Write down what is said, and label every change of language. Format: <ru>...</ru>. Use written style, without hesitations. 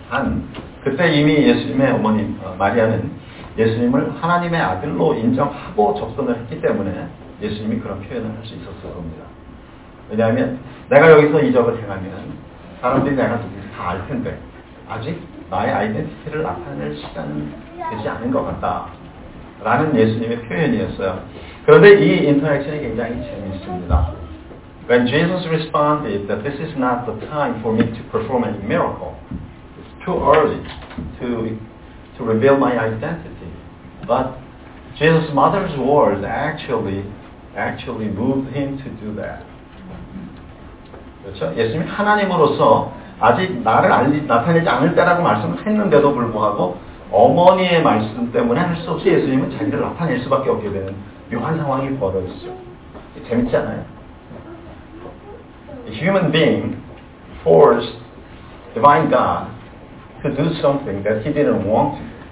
<ko>단 그때 이미 예수님의 어머니 마리아는 예수님을 하나님의 아들로 인정하고 접근을 했기 때문에 예수님이 그런 표현을 할 수 있었을 겁니다. 왜냐하면 내가 여기서 이적을 행하면 사람들이 내가 누구인지 다 알 텐데 아직 나의 아이덴티티를 나타낼 시간은 되지 않은 것 같다 라는 예수님의 표현이었어요. 그런데 이 인터랙션이 굉장히 재미있습니다.</ko> <en>When Jesus responded that this is not the time for me to perform any miracle, it's too early to reveal my identity. But Jesus' mother's words actually moved him to do that.</en> <ko>그렇죠? 예수님이 하나님으로서 아직 나를 나타내지 않을 때라고 말씀했는데도 불구하고 어머니의 말씀 때문에 할 수 없이 예수님은 자기를 나타낼 수밖에 없게 되는 묘한 상황이 벌어졌어요. 재밌지 않아요?</ko> <en>Human being forced divine God to do something that he didn't want to.</en>